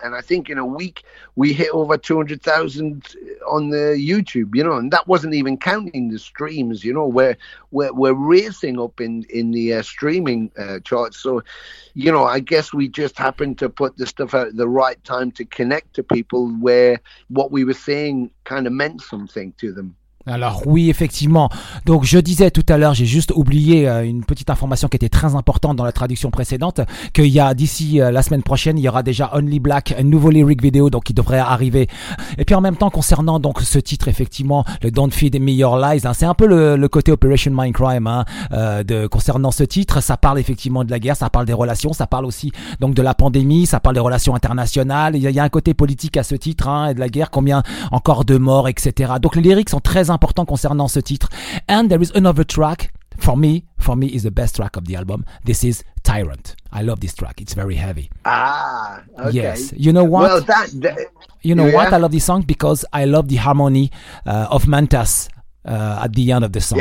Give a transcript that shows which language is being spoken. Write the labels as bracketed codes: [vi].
[en] And I think in a week, we hit over 200,000 on the YouTube, you know, and that wasn't even counting the streams, you know, where we're racing up in the streaming charts. So, you know, I guess we just happened to put the stuff out at the right time to connect to people where what we were saying kind of meant something to them. [fr] Alors oui, effectivement. Donc je disais tout à l'heure, j'ai juste oublié une petite information qui était très importante dans la traduction précédente, qu'il y a d'ici la semaine prochaine, il y aura déjà Only Black, un nouveau lyric vidéo, donc qui devrait arriver. Et puis en même temps, concernant donc ce titre, effectivement, le Don't Feed Me Your Lies, hein, c'est un peu le côté Operation Mindcrime, hein, concernant ce titre, ça parle effectivement de la guerre, ça parle des relations, ça parle aussi donc de la pandémie, ça parle des relations internationales. Il y a un côté politique à ce titre, hein, et de la guerre, combien encore de morts, etc. Donc les lyrics sont très important concernant ce titre. [en] And there is another track for me is the best track of the album. This is Tyrant. I love this track. It's very heavy. Ah, okay. Yes. You know what? Well, what? I love this song because I love the harmony of Mantas at the end of the song.